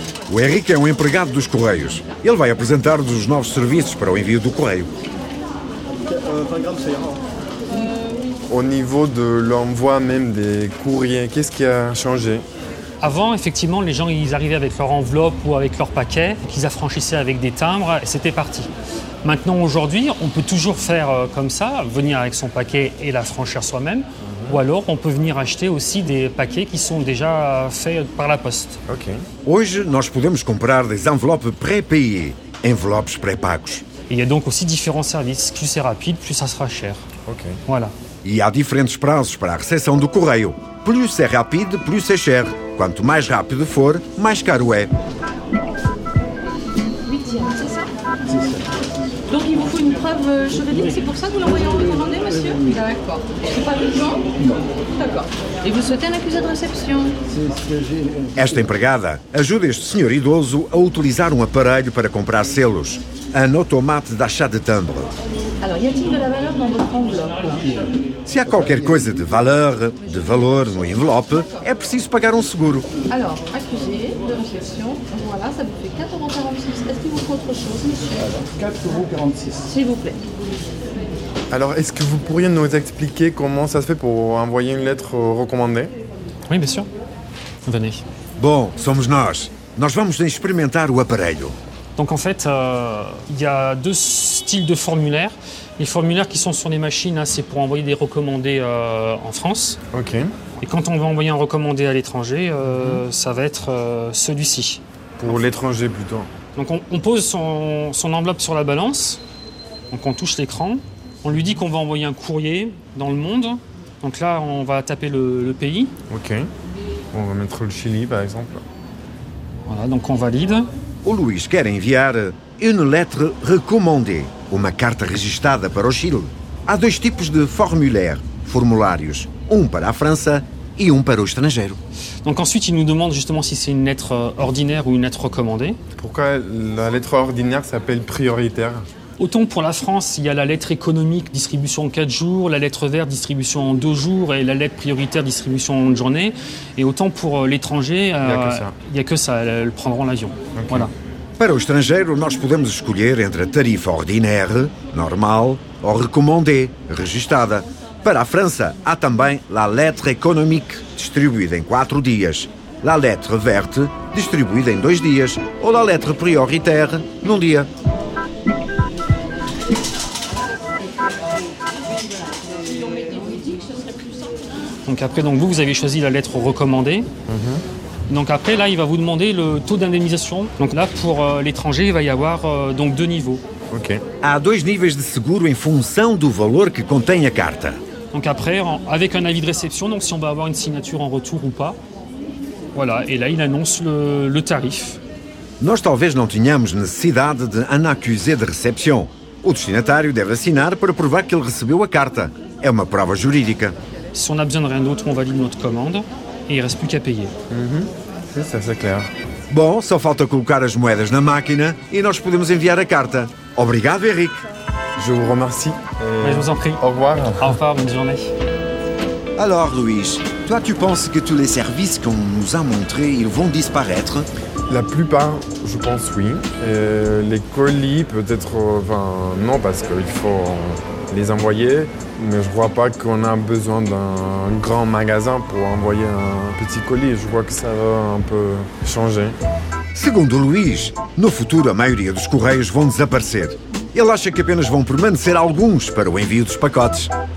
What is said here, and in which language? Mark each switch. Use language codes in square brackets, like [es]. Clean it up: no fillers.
[pt] O Henrique é um empregado dos Correios. Ele vai apresentar-nos os novos serviços para o envio do correio. [fr] Au niveau de l'envoi même des courriers, qu'est-ce qui a changé ? Avant, effectivement, les gens ils arrivaient avec leur enveloppe ou avec leur paquet, qu'ils affranchissaient avec des timbres, et c'était parti. Maintenant, aujourd'hui, on peut toujours faire comme ça, venir avec son paquet et l'affranchir soi-même, ou alors on peut venir acheter aussi des paquets qui sont déjà faits par la poste. Ok. [pt] Hoje, nós podemos comprar [fr] des enveloppes pré-payées, [pt] enveloppes pré-pagos. [fr] Il y a donc aussi différents services. Plus c'est rapide, plus ça sera cher. Ok. Voilà. [pt] E há diferentes prazos para a recepção do correio. Plus é rápido, plus é cher. Quanto mais rápido for, mais caro é. [fr] Donc il vous faut une preuve juridique, c'est pour ça que vous l'envoyez en recommandé, monsieur ? D'accord. C'est pas besoin ? Non. D'accord. Et vous souhaitez un accusé de réception ? [pt] Esta empregada ajuda este senhor idoso a utilizar um aparelho para comprar selos. [fr] Un automate d'achat de timbre. Alors, y a-t-il de la valeur dans votre enveloppe ? Si y a quelque chose de valeur dans l'enveloppe, [pt] est preciso pagar un seguro. [fr] Alors, accusé de réception, voilà, ça vous fait 4,46 €. Est-ce qu'il vous faut autre chose, monsieur ? 4,46 €. S'il vous plaît. Alors, est-ce que vous pourriez nous expliquer comment ça se fait pour envoyer une lettre recommandée ? Oui, bien sûr. Venez. [pt] Bon, somos nós. Nós vamos expérimenter o aparelho. [fr] Donc en fait, il y a 2 styles de formulaires. Les formulaires qui sont sur les machines, hein, c'est pour envoyer des recommandés en France. Ok. Et quand on va envoyer un recommandé à l'étranger, ça va être celui-ci. Pour l'étranger plutôt. Donc on pose son enveloppe sur la balance, donc on touche l'écran, on lui dit qu'on va envoyer un courrier dans le monde. Donc là, on va taper le pays. Ok. On va mettre le Chili par exemple. Voilà, donc on valide. [pt] O Luís quer enviar [fr] une lettre recommandée, [pt] uma carta registada para o Chile. Há 2 tipos de formulários, um para a França e um para o estrangeiro. [fr] Donc ensuite, il nous demande justement si c'est une lettre ordinaire ou une lettre recommandée. Pourquoi la lettre ordinaire s'appelle prioritaire ? Autant pour la France, il y a la lettre économique, distribution en 4 jours, la lettre verte, distribution en 2 jours, et la lettre prioritaire, distribution en 1 journée. Et autant pour l'étranger, il n'y a que ça, elles prendront l'avion. Okay. Voilà. [pt] Para o estrangeiro, nós podemos escolher entre a tarifa ordinaire, normal, ou recommandée, registrada. Para a França, há também [fr] la lettre économique, [pt] distribuída em 4 dias, [fr] la lettre verte, [pt] distribuída em 2 dias, ou [fr] la lettre prioritaire, [pt] num dia. [fr] Donc après, donc vous avez choisi la lettre recommandée. Mm-hmm. Donc après, là, il va vous demander le taux d'indemnisation. Donc là, pour l'étranger, il va y avoir donc 2 niveaux. Ok. [pt] Há 2 níveis de seguro em função do valor que contém a carta. [fr] Donc après, avec un avis de réception, donc si on va avoir une signature en retour ou pas. Voilà, et là, il annonce le tarif. [pt] Nós talvez não tenhamos necessidade de [fr] un accusé de réception. [pt] O destinatário deve assinar para provar que ele recebeu a carta. É uma prova jurídica. [fr] Si on n'a besoin de rien d'autre, on valide notre commande et il ne reste plus qu'à payer. Mm-hmm. Ça, c'est clair. [pt] Bon, só falta colocar as moedas na máquina et nós podemos enviar a carta. Obrigado, Eric. [fr] Je vous remercie. Je vous en prie. Au revoir. Au revoir, bonne journée. Alors, Luis, toi, tu penses que tous les services qu'on nous a montrés, ils vont disparaître ? La plupart, je pense, oui. Les colis, peut-être... Enfin, non, parce qu'il faut... les envoyer, mais je vois pas qu'on a besoin d'un grand magasin pour envoyer un petit colis. Je vois que ça va un peu changer. [pt] Segundo o Luís, no futuro a maioria dos correios vão desaparecer. Ele acha que apenas vão permanecer alguns para o envio dos pacotes.